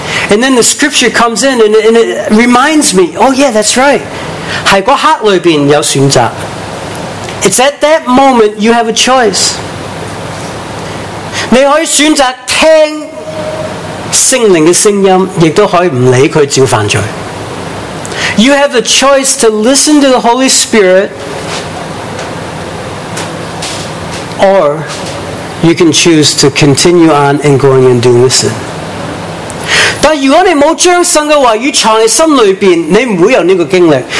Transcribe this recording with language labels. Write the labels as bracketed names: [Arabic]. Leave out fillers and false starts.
[English] And then the scripture comes in and it reminds me, oh yeah, that's right. [Cantonese] 係個黑裏邊有選擇。 [English] It's at that moment you have a choice. [Cantonese] 你可以選擇。聽聖靈的聲音，亦都可以唔理佢，照犯罪。 [English] You have the choice to listen to the Holy Spirit, or you can choose to continue on and going and doing sin. [Cantonese] 但如果你冇將神嘅話語藏喺心裏邊，你唔會有呢個經歷。